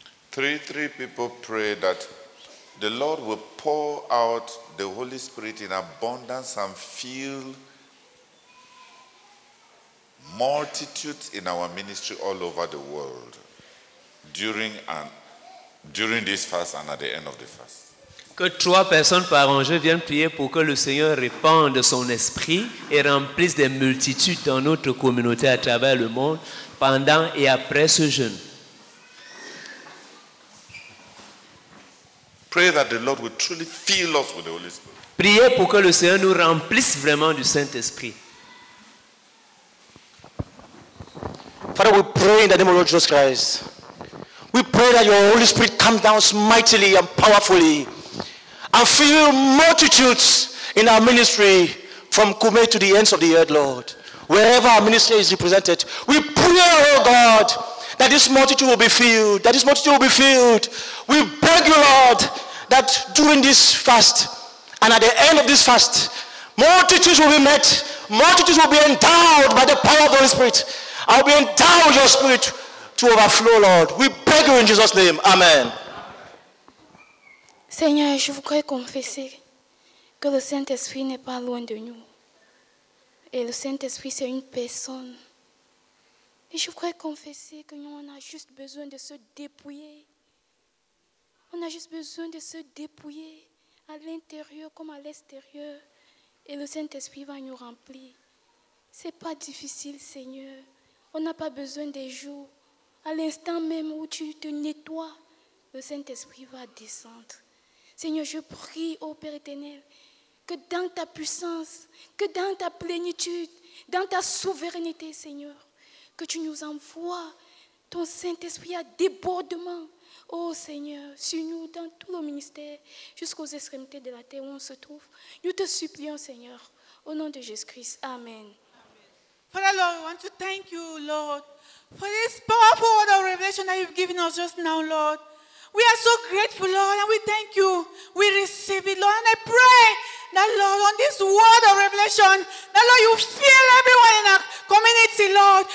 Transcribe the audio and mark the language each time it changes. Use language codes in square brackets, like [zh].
[en] Three people pray that the Lord will pour out the Holy Spirit in abundance and fill multitudes in our ministry all over the world during this fast and at the end of the fast. [fr] Que trois personnes par enjeu viennent prier pour que le Seigneur répande son esprit et remplisse des multitudes dans notre communauté à travers le monde pendant et après ce jeûne. [en] Pray that the Lord will truly fill us with the Holy Spirit. [fr] Priez pour que le Seigneur nous remplisse vraiment du Saint-Esprit. [en] Father, we pray in the name of Lord Jesus Christ. We pray that your Holy Spirit come down mightily and powerfully. A few multitudes in our ministry from Kume to the ends of the earth, Lord. Wherever our ministry is represented, we pray, oh God, that this multitude will be filled, that this multitude will be filled. We beg you, Lord, that during this fast and at the end of this fast, multitudes will be met, multitudes will be endowed by the power of the Holy Spirit. I'll be endowed with your spirit to overflow, Lord. We beg you in Jesus' name. Amen. [fr] Seigneur, je voudrais confesser que le Saint-Esprit n'est pas loin de nous. Et le Saint-Esprit, c'est une personne. Et je voudrais confesser que nous, on a juste besoin de se dépouiller. On a juste besoin de se dépouiller à l'intérieur comme à l'extérieur. Et le Saint-Esprit va nous remplir. Ce n'est pas difficile, Seigneur. On n'a pas besoin des jours. À l'instant même où tu te nettoies, le Saint-Esprit va descendre. Seigneur, je prie, ô Père éternel, que dans ta puissance, que dans ta plénitude, dans ta souveraineté, Seigneur, que tu nous envoies ton Saint-Esprit à débordement, ô Seigneur, sur nous, dans tout le ministère, jusqu'aux extrémités de la terre où on se trouve. Nous te supplions, Seigneur, au nom de Jésus-Christ. Amen. [en] Father, Lord, we want to thank you, Lord, for this powerful word of revelation that you've given us just now, Lord. We are so grateful, Lord, and we thank you. We receive it, Lord, and I pray that, Lord, on this word of revelation, that, Lord, you fill everyone in our community, Lord.